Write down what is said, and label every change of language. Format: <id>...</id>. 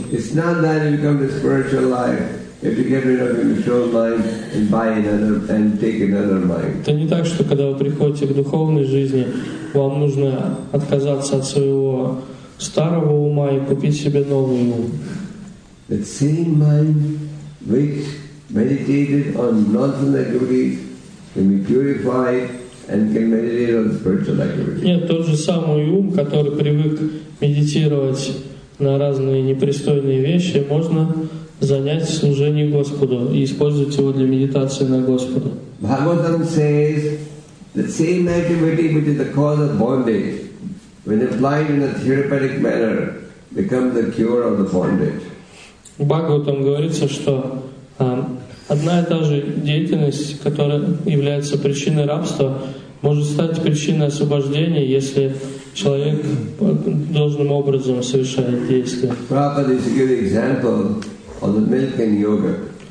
<en>It's not that you become the spiritual life if you get rid of your material mind and buy another and take another mind.</en> <ru>Это не так, что когда вы приходите к духовной жизни, вам нужно отказаться от своего старого ума и купить себе новый ум.</ru> <en>The same mind which meditated on nonsense activities can be purified and can meditate on spiritual activities.</en> <ru>Нет, тот же самый ум, который привык медитировать на разные непристойные вещи, можно занять служение Господу и использовать его для медитации на Господа.</ru> <en>Bhagavatam says the same activity which is the cause of bondage, when applied in a therapeutic manner, becomes the cure of the bondage.</en> <ru>Bhagavatam говорится, что одна и та же деятельность, которая является причиной рабства, может стать причиной освобождения, если человек должным образом совершает действия.</ru>